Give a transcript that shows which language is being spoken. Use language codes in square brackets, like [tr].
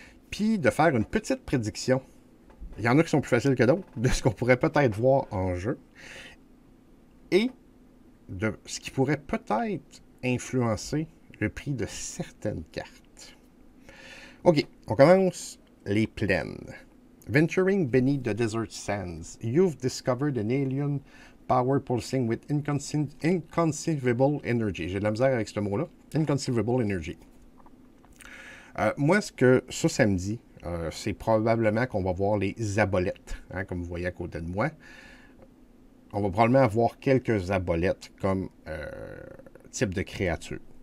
[fr] Puis de faire une petite prédiction. Il y en a qui sont plus faciles que d'autres, de ce qu'on pourrait peut-être voir en jeu. Et de ce qui pourrait peut-être influencer le prix de certaines cartes. OK, on commence les plaines. [en] Venturing beneath the desert sands, you've discovered an alien power pulsing with inconceivable energy. [fr] J'ai de la misère avec ce mot-là. [en] Inconceivable energy. [fr] Moi, ce que ça me dit, c'est probablement qu'on va voir les abolettes, hein, comme vous voyez à côté de moi. On va probablement avoir quelques abolettes comme type de créature.